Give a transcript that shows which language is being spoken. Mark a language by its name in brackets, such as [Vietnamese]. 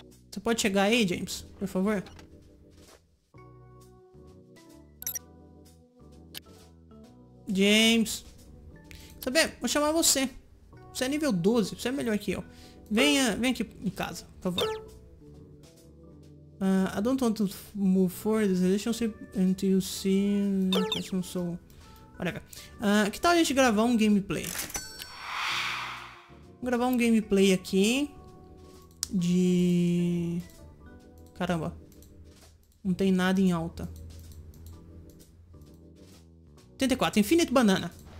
[Portuguese] Você pode chegar aí, James? Por favor? James! Sabe, vou chamar você. Você é nível 12, você é melhor que eu. Venha, vem aqui em casa, por favor. [English] I don't want to move forward this relationship until you see... Whatever. [Portuguese] Que tal a gente gravar um gameplay? Vamos gravar um gameplay aqui. De... Caramba. Não tem nada em alta. 84. Infinite Banana.